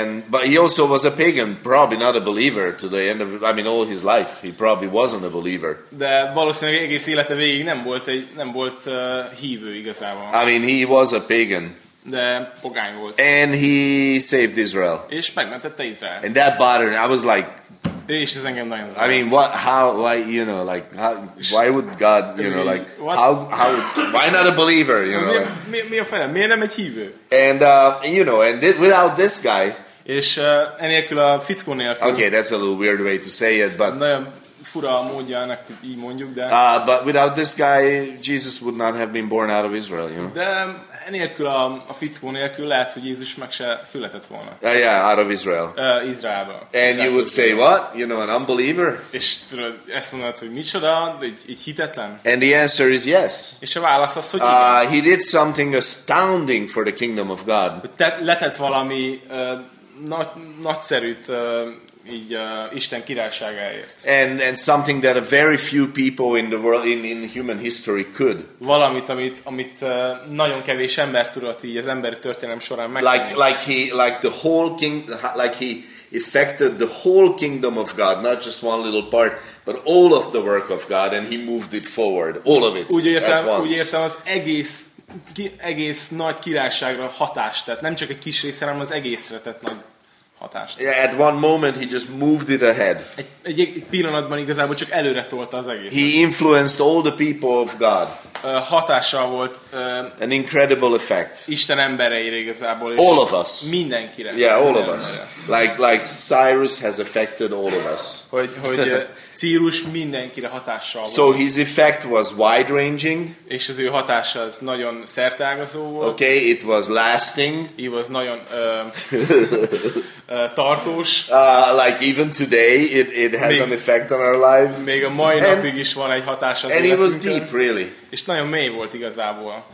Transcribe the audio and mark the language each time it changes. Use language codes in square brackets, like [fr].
[en] But he also was a pagan, probably not a believer to the end of, I mean, all his life. He probably wasn't a believer. [hu] De valószínűleg egész élete végig nem volt hívő igazából. [en] I mean, he was a pagan. [hu] De pogány volt. [en] And he saved Israel. [hu] És megmentette Izraelt. [en] And that bothered me. I was like, [hu] és ez engem nagyon zavart. [en] I mean, why not a believer, you know? [hu] Mi a fene? Miért nem egy hívő? [en] And, you know, and without this guy. [hu] És enélkül a fickó nélkül. [en] Okay, that's a little weird way to say it, but. [hu] Nagyon fura a módja, ennek így mondjuk, de. [en] But without this guy, Jesus would not have been born out of Israel, you know? [hu] De enélkül a fickó nélkül lehet, hogy Jézus meg se született volna. [en] Out of Israel. [hu] Izraelbe. [en] And you would say, what? You know, an unbeliever? [hu] És tudod, ezt mondod, hogy micsoda, egy hitetlen? [en] And the answer is yes. [hu] És a válasz az, hogy [en] he did something astounding for the kingdom of God. [hu] Letett valami nagyszerűt így Isten királyságáért. [en] And something that a very few people in the world in human history could. [hu] Valamit, amit nagyon kevés ember tudott így az emberi történelem során megtenni. [en] Like he like the whole king like he affected the whole kingdom of God, not just one little part, but all of the work of God, and he moved it forward, all of it, [hu] úgy értem, [en] at once. [hu] Úgy értem, az egész nagy királyságra hatást tett, nem csak egy kis része, hanem az egészre tett nagy hatást. [en] Yeah, at one moment he just moved it ahead. [hu] Egy pillanatban igazából csak előre tolta az egészet. [en] He influenced all the people of God. [hu] Hatással volt. [en] An incredible effect. [hu] Isten embereire igazából. [en] All of us. [hu] Mindenkire. [en] Yeah, all of us. Like Cyrus has affected all of us. [hu] Hogy Círus mindenkire hatással volt. [en] So his effect was wide ranging. [hu] És az ő hatása az nagyon szerteágazó volt. [en] Okay, it was lasting. It was [hu] nagyon tartós. [en] Like even today it has an effect on our lives. [hu] Még a mai napig is van egy hatása az életünkön. [en] And it was deep, really. [hu] És nagyon mély volt igazából.